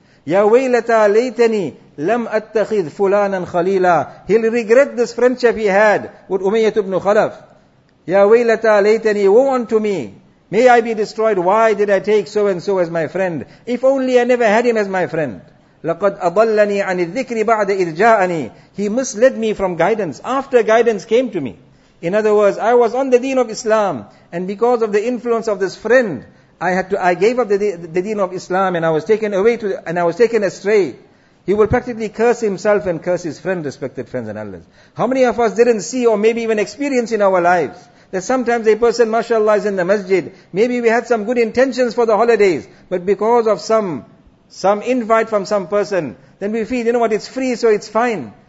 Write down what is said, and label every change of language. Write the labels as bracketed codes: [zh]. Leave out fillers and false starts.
[ar] Ya waylata laytani lam attakhidh fulanan khalila. [en] He'll regret this friendship he had with Umayyah ibn Khalaf. [ar] Ya waylata laytani [en] woe unto me. May I be destroyed. Why did I take so and so as my friend? If only I never had him as my friend. [ar] لَقَدْ أَضَلَّنِي عَنِ الذِّكْرِ بَعْدَ إِذْ جَاءَنِي [en] He misled me from guidance. After guidance came to me. In other words, I was on the deen of Islam, and because of the influence of this friend, I gave up the deen of Islam, and I was taken away to, and I was taken astray. He will practically curse himself and curse his friend, respected friends and elders. How many of us didn't see or maybe even experience in our lives that sometimes a person, mashallah, is in the masjid, maybe we had some good intentions for the holidays, but because of some invite from some person, then we feel, you know what, it's free, so it's fine.